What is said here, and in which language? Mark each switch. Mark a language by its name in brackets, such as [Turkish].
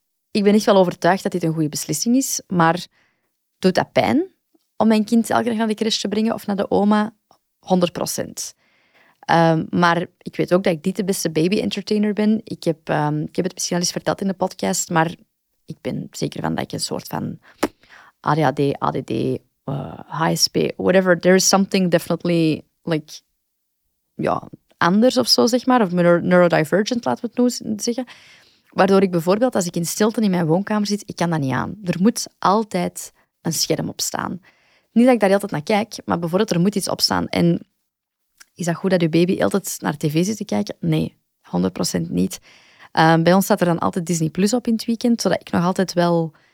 [Dutch] Ik ben echt wel overtuigd dat dit een goede beslissing is, maar doet dat pijn om mijn kind elke dag naar de crèche te brengen of naar de oma? 100%. Maar ik weet ook dat ik niet de beste baby-entertainer ben. Ik heb het misschien al eens verteld in de podcast, maar ik ben zeker van dat ik een soort van... ADHD, ADD, [English] high speed, whatever. There is something definitely like, [Dutch] ja, anders of zo, zeg maar. Of neurodivergent, laten we het nu zeggen. Waardoor ik bijvoorbeeld, als ik in stilte in mijn woonkamer zit, ik kan dat niet aan. Er moet altijd een scherm op staan. Niet dat ik daar altijd naar kijk, maar bijvoorbeeld, er moet iets op staan. En is dat goed dat je baby altijd naar tv zit te kijken? Nee, 100% niet. Bij ons staat er dan altijd Disney Plus op in het weekend, zodat ik nog altijd wel...